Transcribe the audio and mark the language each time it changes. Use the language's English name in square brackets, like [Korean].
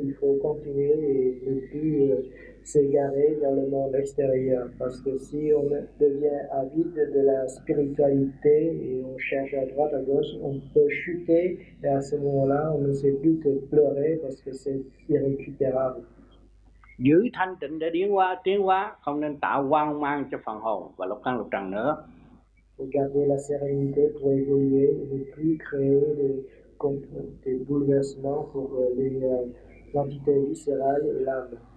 [French] Il faut continuer et ne plus s'égarer dans le monde extérieur. Parce que si on devient avide de la spiritualité et on cherche à droite, à gauche, on peut chuter et à ce moment-là, on ne sait plus que pleurer parce que c'est irrécupérable. [Vietnamese] Giữ thanh tịnh để tiến hóa, không nên tạo hoang mang cho phần hồn và lục căn lục trần nữa. [French] Garder la sérénité pour évoluer, ne plus créer des bouleversements pour les entités viscérales et l'âme.